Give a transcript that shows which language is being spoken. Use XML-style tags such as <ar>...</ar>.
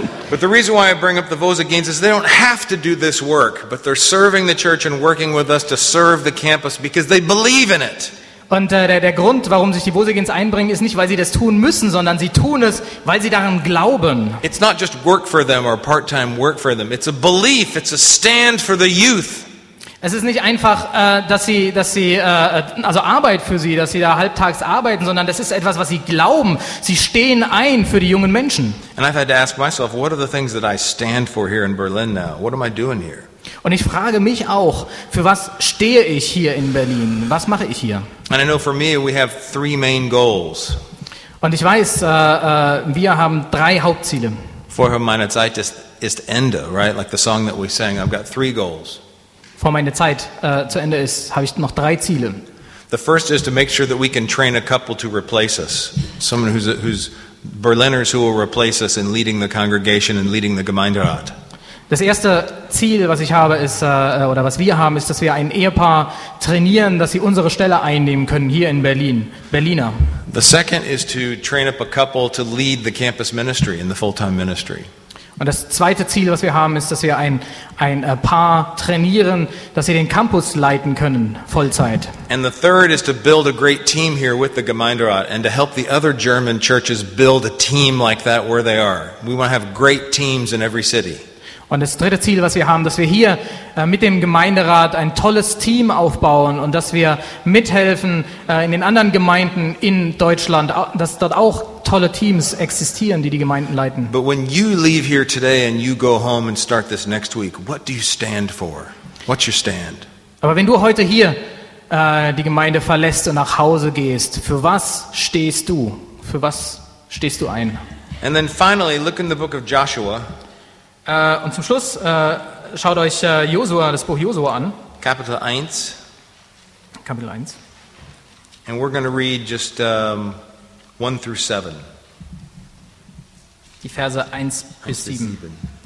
<en>But the reason why I bring up the Vosgians is they don't have to do this work, but they're serving the church and working with us to serve the campus because they believe in it.</en> <de>Und der Grund, warum sich die Vosgians einbringen, ist nicht, weil sie das tun müssen, sondern sie tun es, weil sie daran glauben.</de> <en>It's not just work for them or part-time work for them. It's a belief. It's a stand for the youth.</en> <de>Es ist nicht einfach, dass sie Arbeit für sie, dass sie da halbtags arbeiten, sondern das ist etwas, was sie glauben. Sie stehen ein für die jungen Menschen.</de> <en>And I've had to ask myself, what are the things that I stand for here in Berlin now? What am I doing here?</en> <de>Und ich frage mich auch, für was stehe ich hier in Berlin? Was mache ich hier?</de> <en>And I know for me we have three main goals.</en> <de>Und ich weiß, wir haben drei Hauptziele. Vor meiner Zeit ist Ende, right?</de> <en>Like the song that we sang, I've got three goals.</en> <de>Vor meiner Zeit zu Ende ist, habe ich noch drei Ziele.</de> <en>The first is to make sure that we can train a couple to replace us. Someone who's Berliners who will replace us in leading the congregation and leading the Gemeinderat.</en> <de>Das erste Ziel, was ich habe, ist oder was wir haben, ist, dass wir ein Ehepaar trainieren, dass sie unsere Stelle einnehmen können hier in Berlin, Berliner.</de> <en>The second is to train up a couple to lead the campus ministry in the full-time ministry.</en> <de>Und das zweite Ziel, was wir haben, ist, dass wir ein Paar trainieren, dass sie den Campus leiten können Vollzeit.</de> <en>And the third is to build a great team here with the Gemeinderat and to help the other German churches build a team like that where they are. We want to have great teams in every city.</en> <de>Und das dritte Ziel, was wir haben, dass wir hier mit dem Gemeinderat ein tolles Team aufbauen und dass wir mithelfen in den anderen Gemeinden in Deutschland, dass dort auch tolle Teams existieren, die die Gemeinden leiten.</de> <en>But when you leave here today and you go home and start this next week, what do you stand for? What's your stand?</en> <de>Aber wenn du heute hier die Gemeinde verlässt und nach Hause gehst, für was stehst du? Für was stehst du ein?</de> <en>And then finally, look in the book of Joshua.</en> <de>Und zum Schluss schaut euch Josua, das Buch Josua an. Kapitel 1. Kapitel 1.</de> <en>And we're going to read just 1 through 7.</en> <de>Die Verse 1 bis 7.</de>